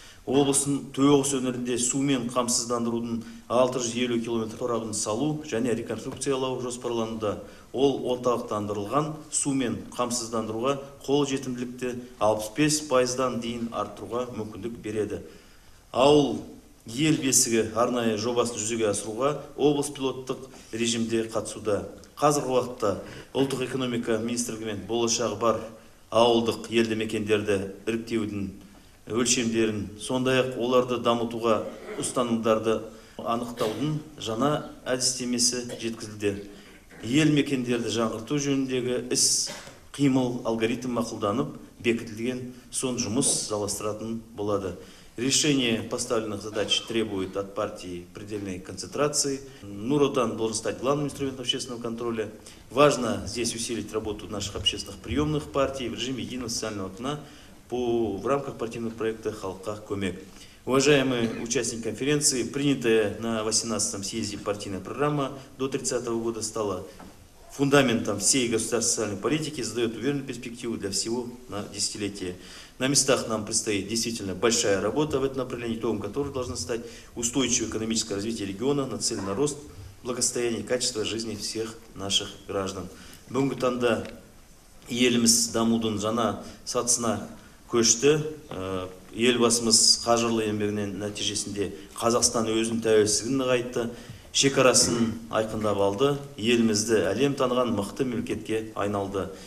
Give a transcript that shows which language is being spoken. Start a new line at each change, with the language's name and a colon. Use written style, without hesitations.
Kazakh: Облысын төгіс өнерінде сумен қамсыздандырудың 650 километр торабын салу және реконструкциялау жоспарлануда. Ол орталықтандырылған сумен қамсыздандыруға қол жетімділікті 65%-дан дейін артыруға мүмкіндік береді. Ауыл ел бесігі арнайы жобасын жүзеге асыруға облыс пилоттық режимде қатысуда. Қазіргі уақытта ұлттық экономика министрлігімен болашағы бар ауылдық елді мекендерді іріктеудің өлшемдерін, сондай-ақ оларды дамытуға ұстанымдарды анықтаудың жаңа әдістемесі жеткізілді. Ел мекендерді жаңғырту жөніндегі іс қимыл алгоритм мақұлданып бекітілген соң жұмыс жалғастыратын болады.
Russian: Решение поставленных задач требует от партии предельной концентрации. Нур Отан должен стать главным инструментом общественного контроля. Важно здесь усилить работу наших общественных приемных партий в режиме единого социального окна в рамках партийного проекта «Халка Комек». Уважаемые участники конференции, принятая на 18-м съезде партийная программа до 30-го года стала фундаментом всей государственной социальной политики, задает уверенную перспективу для всего на десятилетие. На местах нам предстоит действительно большая работа в этом направлении, итогом которой должна стать устойчивое экономическое развитие региона, нацелен на рост благосостояния и качество жизни всех наших граждан.
Kazakh: Бүгінгі таңда еліміз дамудың жаңа сатысына көшті. Елбасымыз қажырлы еңбегінен нәтижесінде Қазақстан өзінің тәуелсіздігін нығайтты, шекарасын айқындап алды, елімізді әлем таныған мықты мемлекетке айналды.